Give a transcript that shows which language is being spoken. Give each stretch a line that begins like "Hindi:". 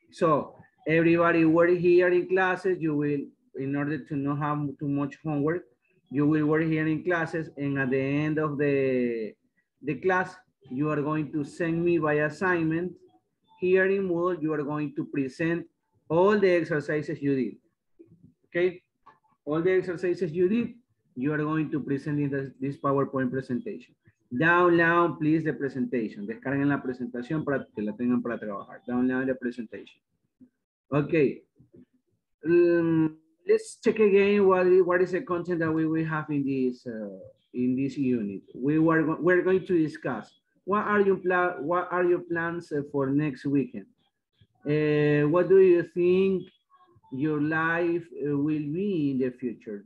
English: So everybody, we're here in classes. You will, in order to not have too much homework, you will work here in classes, and at the end of the class, you are going to send me by assignment. Here in Moodle, you are going to present all the exercises you did, okay? All the exercises you did, you are going to present in this PowerPoint presentation. Download, please, the presentation.
Spanish: Descarguen la presentación para que la tengan para trabajar.
English: Download the presentation. Okay. Let's check again what is the content that we will have in this unit. We're going to discuss what are your plans for next weekend. What do you think your life will be in the future?